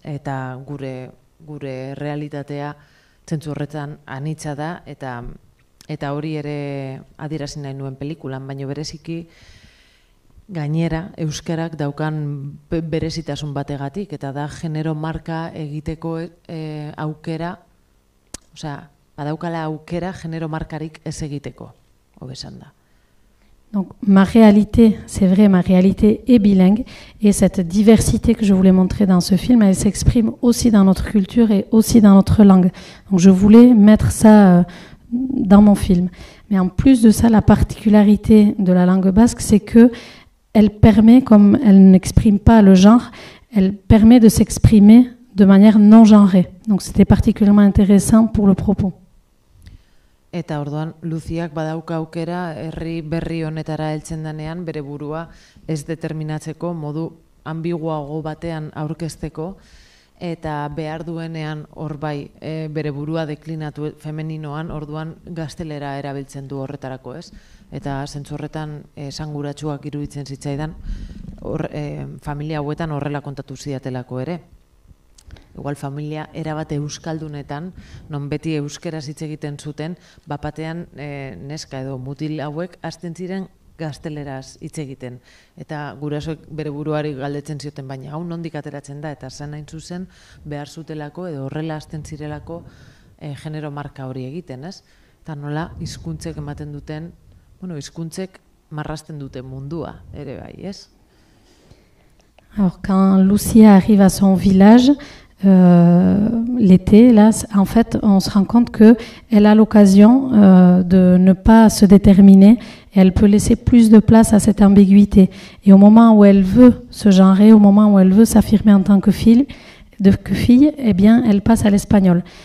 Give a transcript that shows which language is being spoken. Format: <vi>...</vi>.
<eu>Eta gure realitatea zentzu horretan anitza da eta hori ere adierazi nahi nuen pelikulan, baina bereziki gainera euskarak daukan berezitasun bategatik eta da genero marka egiteko aukera, o sea, badaukala aukera genero markarik ez egiteko, hobesan da.</eu> <fr>Donc ma réalité, c'est vrai, ma réalité est bilingue et cette diversité que je voulais montrer dans ce film, elle s'exprime aussi dans notre culture et aussi dans notre langue. Donc je voulais mettre ça dans mon film. Mais en plus de ça, la particularité de la langue basque, c'est que elle permet, comme elle n'exprime pas le genre, elle permet de s'exprimer de manière non genrée. Donc c'était particulièrement intéressant pour le propos.</fr> <eu>Eta orduan Luciak badauka aukera herri berri honetara heltzen denean bere burua ez determinatzeko modu ambiguago batean aurkezteko eta behar duenean hor bai bere burua deklinatu femeninoan orduan gaztelera erabiltzen du horretarako, ez? Eta zentzu horretan esanguratsuak iruditzen zitzaidan hor familia hauetan horrela kontatu zidatelako ere. Igual familia erabate euskaldunetan, non beti euskeraz hitz egiten zuten, bapatean neska edo mutil hauek hasten ziren gazteleraz hitz egiten. Eta gurasoek bere buruari galdetzen zioten, baina hau nondik ateratzen da, eta zan hain zuzen behar zutelako edo horrela hasten zirelako genero marka hori egiten, ez? Eta nola hizkuntzek ematen duten, bueno, hizkuntzek marrasten duten mundua, ere bai, ez?</eu> <fr>Alors, quand Lucia arrive à son village, l'été, là, en fait, on se rend compte qu'elle a l'occasion de ne pas se déterminer et elle peut laisser plus de place à cette ambiguïté. Et au moment où elle veut se genrer, au moment où elle veut s'affirmer en tant que fille, eh bien, elle passe à l'espagnol.</fr>